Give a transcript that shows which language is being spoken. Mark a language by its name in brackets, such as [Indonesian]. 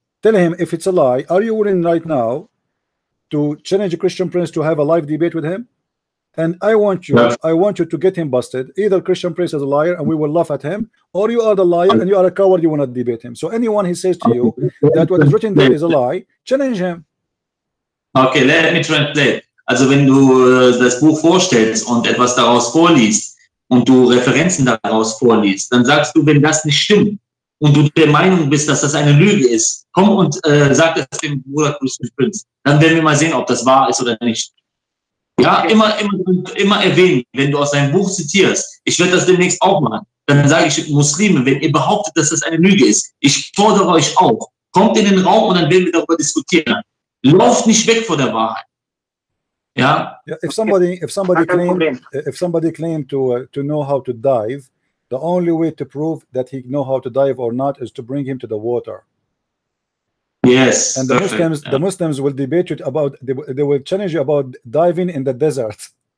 [English] Tell him if it's a lie, are you willing right now to challenge a Christian prince to have a live debate with him? And I want you, I want you to get him busted. Either Christian Prince is a liar and we will laugh at him, or you are the liar and you are a coward, you want to debate him. So anyone he says to you that what is written there is a lie, challenge him. Okay, let me translate. [German] Also wenn du das Buch vorstellst und etwas daraus vorliest und du Referenzen daraus vorliest, dann sagst du, wenn das nicht stimmt und du der Meinung bist, dass das eine Lüge ist, komm und sag das dem Bruder Christian Prinz. Dann werden wir mal sehen, ob das wahr ist oder nicht. Ja, okay. immer erwähnen, wenn du aus deinem Buch zitierst, ich werde das demnächst auch machen, dann sage ich Muslime, wenn ihr behauptet, dass das eine Lüge ist, ich fordere euch auf, kommt in den Raum und dann werden wir darüber diskutieren. Lauf nicht weg vor der Wahrheit. Ja? [English] Yeah, if somebody claimed to know how to dive, the only way to prove that he know how to dive or not is to bring him to the water. Yes. And the Muslims will debate you about, they will challenge you about diving in the desert.